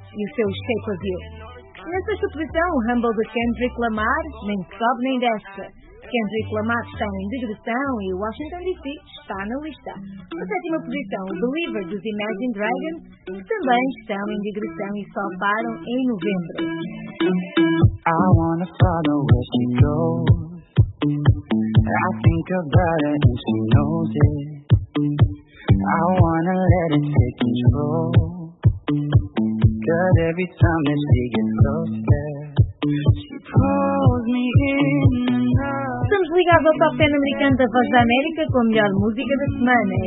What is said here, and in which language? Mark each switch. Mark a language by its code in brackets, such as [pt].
[pt] e o seu Shape of You. Nessa suposição, o Humble de Kendrick Lamar nem sobe nem desce. Kendrick Lamar está em digressão e Washington D.C. está na lista. Na sétima posição, Believer dos Imagine Dragons, que também estão em digressão e só param em novembro. [en] I wanna follow where she goes. I think about it and she knows it. I wanna let it take control. Cause every time that she gets closer, she pulls me in. [pt] Ligado ao Top 10 americano da Voz da América com a melhor música da semana.